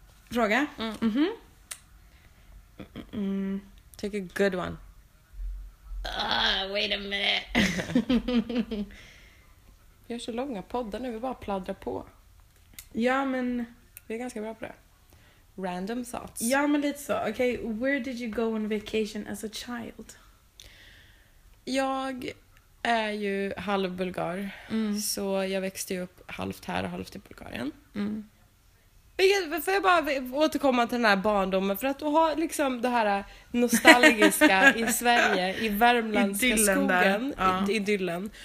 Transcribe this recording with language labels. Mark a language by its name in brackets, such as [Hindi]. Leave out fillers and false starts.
[Swedish] Fråga? Mm. Mm-hmm. [English] Take a good one. Wait a minute. [Swedish] Vi har så långa poddar nu, vi bara pladdrar på. Ja, men... Vi är ganska bra på det. [English] Random thoughts. [Swedish] Ja, men lite så. [English] Okay, where did you go on vacation as a child? [Swedish] Jag är ju halv bulgar. Mm. Så jag växte upp halvt här och halvt i Bulgarien. Mm. Får jag bara återkomma till den här barndomen? För att du har liksom det här nostalgiska i Sverige, i värmländska skogen, idyllen.